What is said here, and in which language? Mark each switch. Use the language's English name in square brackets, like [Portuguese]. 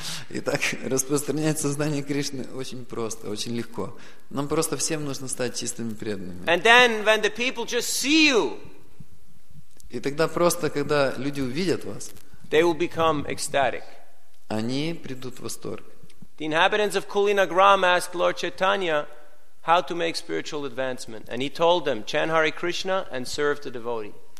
[Russian] Итак, распространять сознание Кришны очень просто, очень легко. Нам просто всем нужно стать чистыми преданными. [English] And then when the people just see you, [Russian] и тогда просто, когда люди увидят вас, [English] they will become ecstatic. [Russian] Они придут в восторг. [English] The inhabitants of Kulinagram asked Lord Chaitanya how to make spiritual advancement, and he told them, chant Hare Krishna and serve the devotee.